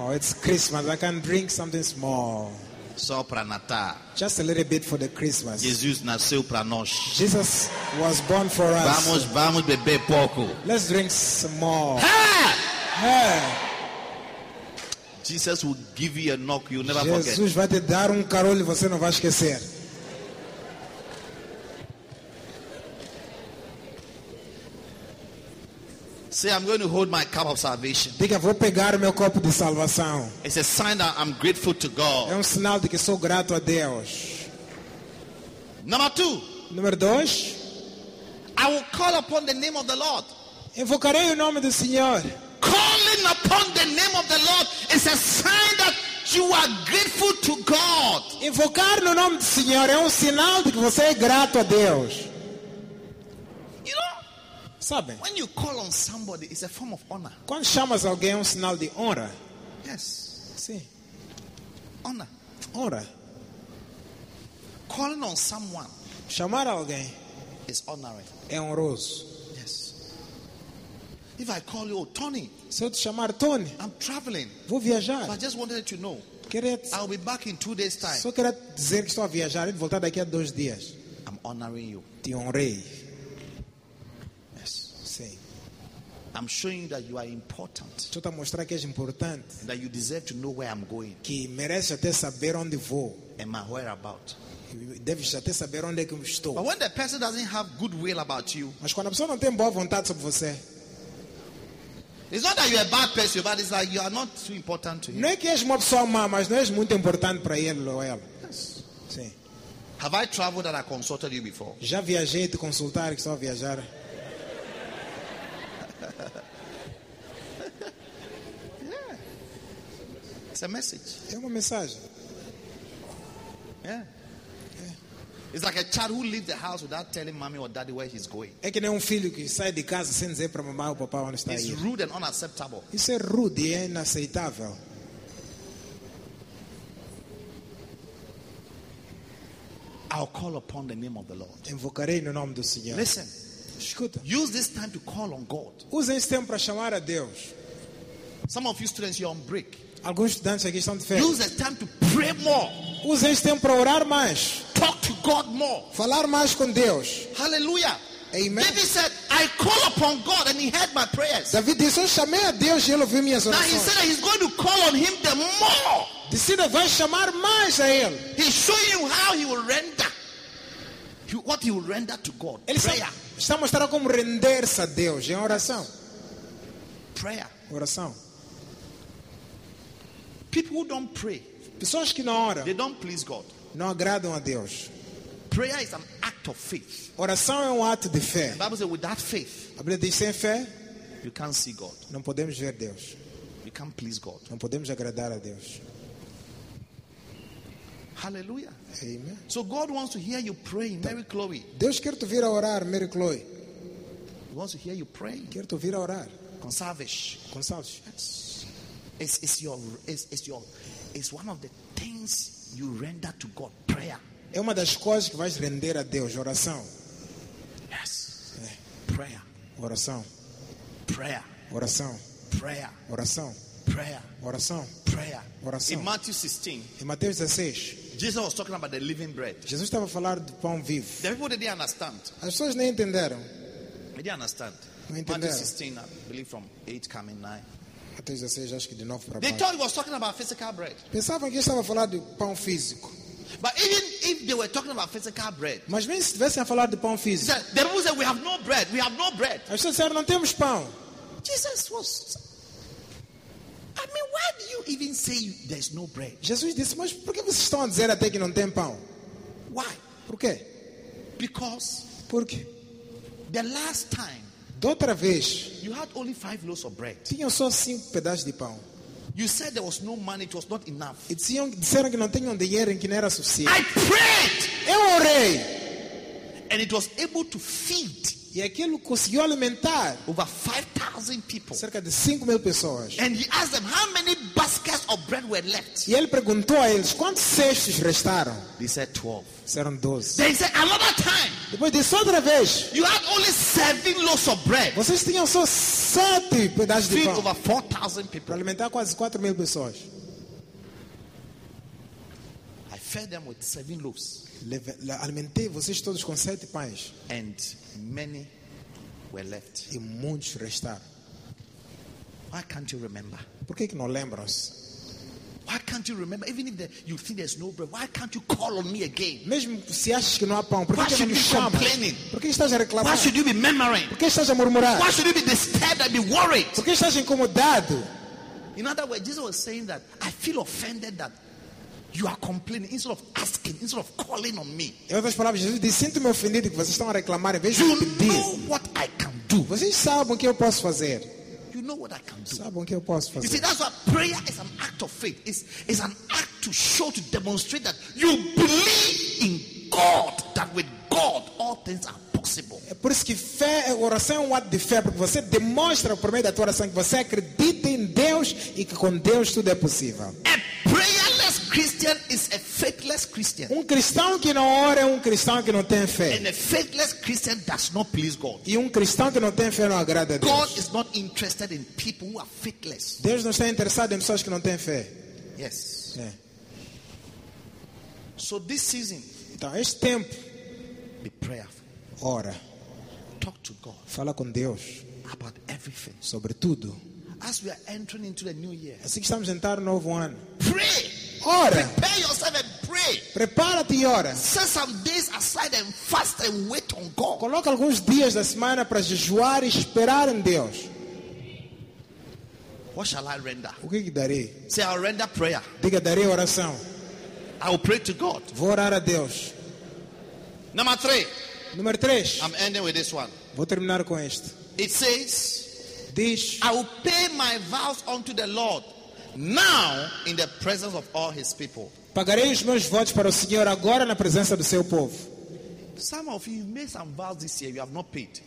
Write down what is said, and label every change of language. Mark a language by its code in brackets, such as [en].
[en] Oh, it's Christmas. I can drink something small. [pt] Só para Natal. [en] Just a little bit for the Christmas. [pt] Jesus nasceu para nós. [en] Jesus was born for us. [pt] Vamos beber pouco. [en] Let's drink some more. Jesus will give you a knock you never Jesus forget. [pt] Jesus vai te dar carol e você não vai esquecer. [en] Say I'm going to hold my cup of salvation. [pt] Diga, vou pegar meu copo de salvação. [en] It's a sign that I'm grateful to God. [pt] É sinal de que sou grato a Deus. [en] Number two. [pt] Número dois. [en] I will call upon the name of the Lord. [pt] Invocarei o nome do Senhor. [en] Calling upon the name of the Lord is a sign that you are grateful to God. [pt] Invocar no nome do Senhor é sinal de que você é grato a Deus. Sabe? [en] When you call on somebody, it's a form of honor. [pt] Quando chamas alguém, sinal de honra. [en] Yes. [pt] Sim. [en] Honor. [pt] Honra. [en] Calling on someone. [pt] Chamar alguém. [en] Is honoring. [pt] É honroso. [en] Yes. If I call you Tony. [pt] Se eu te chamar Tony. [en] I'm traveling. [pt] Vou viajar. [en] But I just wanted to know. [pt] Queria. [en] I'll be back in 2 days time. [pt] Só queria dizer que estou a viajar e voltar daqui a 2 dias. [en] I'm honoring you. [pt] Te honrei. [en] I'm showing you that you are important. [pt] Estou a mostrar que és importante. [en] And that you deserve to know where I'm going. [pt] Que mereces até saber onde vou. [en] And my whereabout. [pt] Deves até saber onde é que estou. [en] But when the person doesn't have goodwill about you. [pt] Mas quando a pessoa não tem boa vontade sobre você. [en] It's not that you're a bad person, but it's like you are not too important to him. [pt] Não é que és uma pessoa má, mas não és muito importante para ele ou ela. [en] Yes. [pt] Sim. [en] Have I traveled and I consulted you before? [pt] Já viajei te consultar que estou a viajar. [en] It's a message. [pt] É uma mensagem. [en] Yeah. It's like a child who leaves the house without telling mommy or daddy where he's going. [pt] É que nem filho que sai de casa sem dizer para mamãe ou papai onde está indo. [en] It's rude and unacceptable. [pt] Isso é rude e inaceitável. [en] I'll call upon the name of the Lord. [pt] Invocarei no nome do Senhor. [en] Listen. [pt] Escuta. [en] Use this time to call on God. [pt] Use este tempo para chamar a Deus. [en] Some of you students, you're on break. [pt] Alguns estudantes aqui estão de férias. [en] Use the time to pray more. [pt] Use este tempo para orar mais. [en] Talk to God more. [pt] Falar mais com Deus. [en] Hallelujah. Amen. David said, I call upon God and he heard my prayers. [pt] David disse, eu chamei a Deus e ele ouviu minhas orações. [en] Now he said that he's going to call on him the more. [pt] Disse que vai chamar mais a ele. [en] He's showing you how he will render. What he will render to God. [pt] Ele [en] prayer. [pt] Está mostrando como render-se a Deus em oração. [en] Prayer. [pt] Oração. [en] People who don't pray, [pt] pessoas que não oram, [en] they don't please God. [pt] Não agradam a Deus. [en] Prayer is an act of faith. [pt] Oração é ato de fé. [en] The Bible says, without faith, [pt] a Bíblia diz, sem fé, [en] you can't see God. [pt] Não podemos ver Deus. [en] You can't please God. [pt] Não podemos agradar a Deus. [en] Hallelujah. Amen. So God wants to hear you pray, Mary Chloe. [pt] Deus quer te ouvir a orar, Mary Chloe. [en] He wants to hear you pray. [pt] Quer te ouvir a orar. [en] Conserve. Yes. It's one of the things you render to God, prayer. [pt] É uma das coisas que vais render a Deus, oração. [en] Yes. Prayer. [pt] Oração. [en] Prayer. [pt] Oração. [en] Prayer. [pt] Oração. [en] Prayer. [pt] Oração. [en] Prayer. [pt] Oração. [en] In Matthew 16. [pt] Em Mateus 16. [en] Jesus was talking about the living bread. [pt] Jesus estava a falar do pão vivo. [en] The people didn't understand. [pt] As pessoas nem entenderam. [en] They didn't understand. [pt] Não entenderam. [en] Matthew 16, I believe from 8 coming 9. [pt] Mateus 16, acho que de 9 para baixo. [en] They thought he was talking about physical bread. [pt] Pensavam que estava a falar de pão físico. [en] But even if they were talking about physical bread. [pt] Mas mesmo se estivessem a falar de pão físico. [en] The people said, we have no bread. We have no bread. [pt] As pessoas disseram, não temos pão. [en] Jesus was... I mean, why do you even say there's no bread? [pt] Jesus disse, mas por que vocês estão a dizer até que não tem pão? [en] Why? [pt] Por quê? [en] Because. [pt] Por quê? [en] The last time. [pt] Da outra vez. [en] You had only 5 loaves of bread. [pt] Tinham só 5 pedaços de pão. [en] You said there was no money, it was not enough. [pt] Disseram que não tinham dinheiro e que não era suficiente. [en] I prayed. [pt] Eu orei. [en] And it was able to feed. [pt] E aquilo conseguiu alimentar. [en] Over 5,000. 5,000 people. [pt] Cerca de 5,000 pessoas. [en] And he asked them how many baskets of bread were left. [pt] E ele perguntou a eles quantos cestos restaram. [en] They said 12. [pt] Disseram 12. [en] They said another time. [pt] Depois disse outra vez. [en] You had only 7 loaves of bread. [pt] Vocês tinham só 7 pedaços de pão. [en] Feed over 4,000 people. [pt] Para alimentar quase 4,000 pessoas. [en] I fed them with 7 loaves. [pt] Alimentei vocês todos com 7 pães. [en] And many were left. [pt] E muitos restaram. [en] Why can't you remember? [pt] Por que não lembras? [en] Why can't you remember? Even if you think there's no bread, why can't you call on me again? [pt] Mesmo se achas que não há pão, por que não me chamas? Por que estás a reclamar? [en] Why should you be murmuring? [pt] Por que estás a murmurar? [en] Why should you be disturbed and be worried? [pt] Por que estás incomodado? [en] In other words, Jesus was saying that I feel offended that you are complaining instead of asking, instead of calling on me. [pt] Em outras palavras, Jesus disse: sinto-me ofendido que vocês estão a reclamar em vez de pedir. [en] You know what I can do. [pt] Vocês sabem o que eu posso fazer. [en] You know what I can do. [pt] Sabem o que eu posso fazer. [en] You see, that's why prayer is an act of faith. It's an act to show, to demonstrate that you believe in God, that with God all things are possible. [pt] É por isso que fé, oração é um ato de fé, porque você demonstra por meio da tua oração que você acredita em Deus e que com Deus tudo é possível. [en] Christian is a faithless Christian. [pt] Um cristão que não ora é um cristão que não tem fé. [en] And a faithless Christian does not please God. [pt] E um cristão que não tem fé não agrada a Deus. [en] God is not interested in people who are faithless. [pt] Deus não está interessado em pessoas que não têm fé. [en] Yes. [pt] É. [en] So this season, [pt] então este tempo, [en] be prayerful. [pt] Ora. [en] Talk to God. [pt] Fala com Deus. [en] About everything. [pt] Sobre tudo. [en] As we are entering into the new year. [pt] Assim que estamos a entrar no novo ano. [en] Pray. [pt] Ora. [en] Prepare yourself and pray. [pt] Prepara-te e ora. [en] Set some days aside and fast and wait on God. [pt] Coloca alguns dias da semana para jejuar e esperar em Deus. [en] What shall I render? [pt] O que darei? [en] Say I'll render prayer. [pt] Diga darei oração. [en] I will pray to God. [pt] Vou orar a Deus. Número 3. [en] I'm ending with this one. [pt] Vou terminar com este. It says, diz, [en] I will pay my vows unto the Lord. Now, in the presence of all his people. [pt] Pagarei os meus votos para o Senhor agora na presença do seu povo. [en] Some of you made some vows this year, you have not paid.